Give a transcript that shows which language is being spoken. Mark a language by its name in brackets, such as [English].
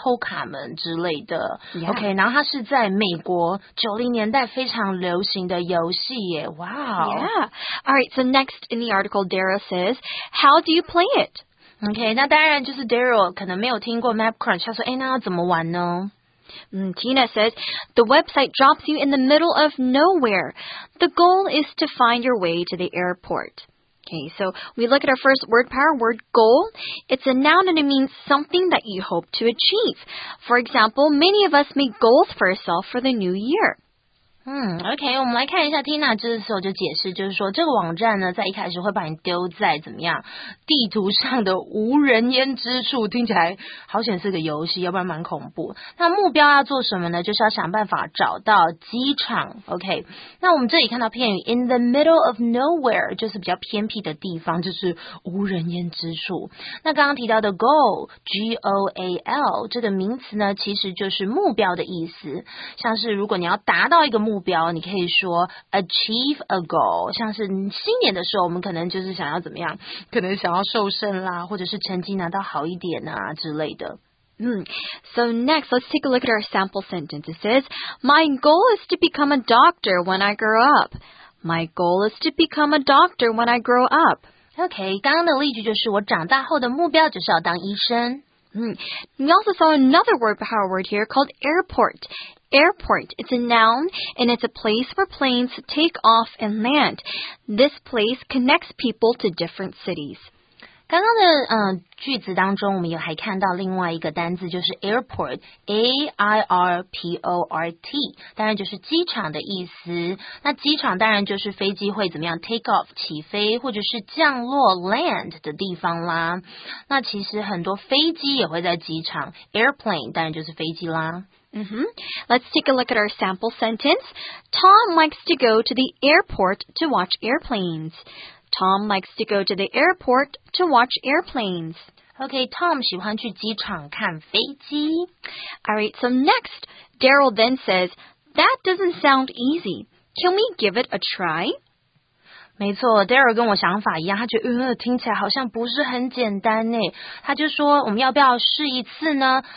[Chinese] Oh, 是哦。所以其实这我记得这个游戏我有印象。它好像中文是翻译成神偷卡门之类的。 [English] Yeah. [Chinese] Okay, 然后它是在美国90年代非常流行的游戏耶。 [English] Wow. Yeah. All right, so next in the article, Dara says, how do you play it? [Chinese] Okay, 那当然就是 Daryl 可能没有听过 MapCrunch, 他说, 诶, 那要怎么玩呢? [English] Tina says, the website drops you in the middle of nowhere. The goal is to find your way to the airport. Okay, so we look at our first word pair, word goal. It's a noun and it means something that you hope to achieve. For example, many of us make goals for ourselves for the new year. [Chinese] OK, 我们来看一下 Tina 这时候就解释，就是说这个网站呢，在一开始会把你丢在怎么样地图上的无人烟之处，听起来好险是个游戏，要不然蛮恐怖。那目标要做什么呢？就是要想办法找到机场。 OK, 那我们这里看到片语 [English] in the middle of nowhere [Chinese] 就是比较偏僻的地方，就是无人烟之处。那刚刚提到的 goal G-O-A-L 这个名词呢，其实就是目标的意思。像是如果你要达到一个目标， 你可以说 [English] achieve a goal， [Chinese] 像是新年的时候，我们可能就是想要怎么样，可能想要瘦身啦，或者是成绩拿到好一点啊之类的。 [English] So next, let's take a look at our sample sentence. It says, my goal is to become a doctor when I grow up. My goal is to become a doctor when I grow up. [Chinese] OK， 刚刚的例句就是我长大后的目标就是要当医生。 [English] We also saw another word power word here called airport. Airport, it's a noun, and it's a place where planes take off and land. This place connects people to different cities. [Chinese] 刚刚的句子当中，我们还看到另外一个单字，就是airport, A-I-R-P-O-R-T, 当然就是机场的意思。那机场当然就是飞机会怎么样 [English] take off [Chinese] 起飞，或者是降落 land 的地方啦。那其实很多飞机也会在机场 airplane 当然就是飞机啦。 Mm-hmm. [English] Let's take a look at our sample sentence. Tom likes to go to the airport to watch airplanes. Tom likes to go to the airport to watch airplanes. [Chinese] Okay, Tom 喜欢去机场看飞机。 [English] All right, so next, Daryl then says, that doesn't sound easy. Can we give it a try? [Chinese] 没错 ,Daryl 跟我想法一样，他觉得听起来好像不是很简单耶。他就说我们要不要试一次呢？